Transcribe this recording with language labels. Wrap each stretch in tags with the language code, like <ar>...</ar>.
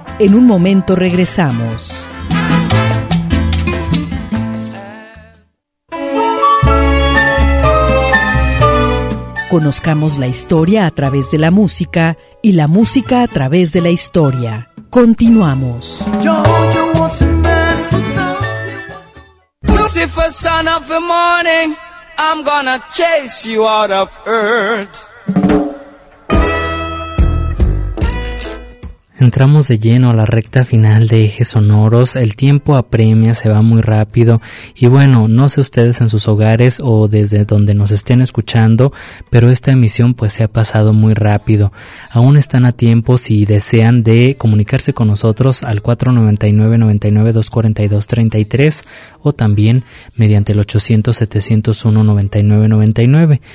<es>En un momento regresamos. Conozcamos la historia a través de la música y la música a través de la historia. Continuamos.</es> <en>Lucifer, son of the morning, I'm gonna chase you out of earth.</en> <es>Entramos de lleno a la recta final de Ejes Sonoros, el tiempo apremia, se va muy rápido y bueno, no sé ustedes en sus hogares o desde donde nos estén escuchando, pero esta emisión pues se ha pasado muy rápido. Aún están a tiempo si desean de comunicarse con nosotros al 499-99-242-33 o también mediante el 800-701-9999.</es>